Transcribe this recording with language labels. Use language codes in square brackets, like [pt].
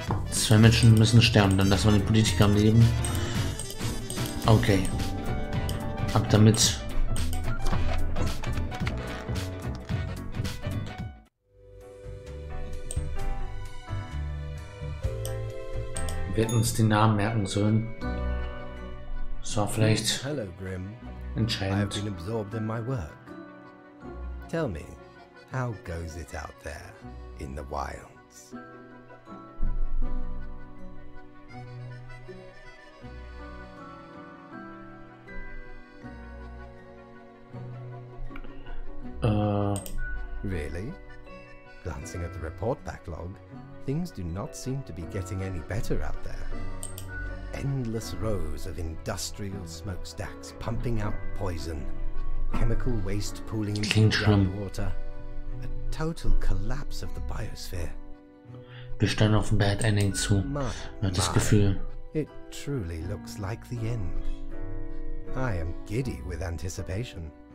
[de] Zwei Menschen müssen sterben, dann lassen wir den Politiker am Leben. Okay. Ab damit. Wir hätten uns den Namen merken sollen. Das war vielleicht [en] Hello, Grim. [de] Entscheidend. [en] I've been absorbed in my work. Tell me, how goes it out there in the wilds? Really? Glancing at the report backlog, things do not seem to be getting any better out there. Endless rows of industrial smokestacks pumping out poison, chemical waste pooling in groundwater, a total collapse of the biosphere. [de] Wir steuern auf ein Bad Ending zu. Das Gefühl. [en] It truly looks like the end. I am giddy with anticipation.